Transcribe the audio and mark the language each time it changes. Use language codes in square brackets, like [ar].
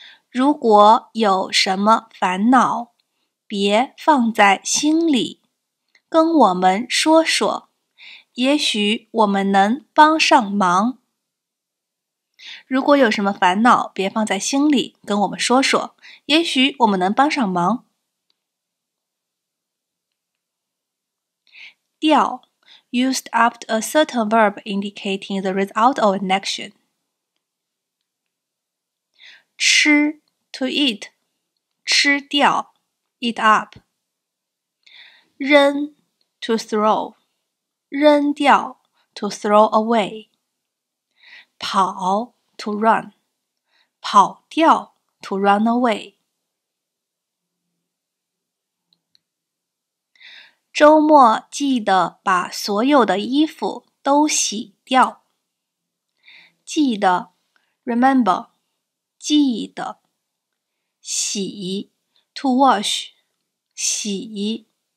[zh] 如果有什么烦恼，别放在心里，跟我们说说，也许我们能帮上忙。如果有什么烦恼，别放在心里，跟我们说说，也许我们能帮上忙。 [en] 掉Used after a certain verb indicating the result of an action. 吃 to eat, 吃掉 eat up. 扔 to throw, 扔掉 to throw away. 跑 to run. 跑掉 to run away. [zh] 周末记得把所有的衣服都洗掉。记得 remember, 记得。洗 to wash, 洗。